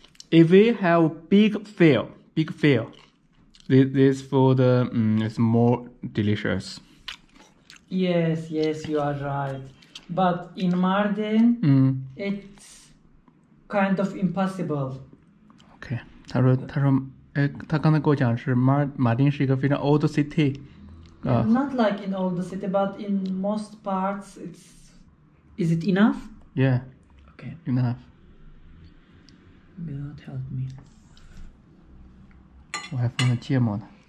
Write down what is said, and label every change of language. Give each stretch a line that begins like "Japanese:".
English: If we have big fail, this food is more delicious. Yes, you are right. But in Mardin, it's kind of impossible.
Chinese: Okay, 他说，哎，他刚才跟我讲是马丁是一个非常
English: old city。 Not like in all the city, but in most parts, it's. Is it enough? Yeah. Okay. Enough. God help me.
Chinese: 我还放了芥末呢。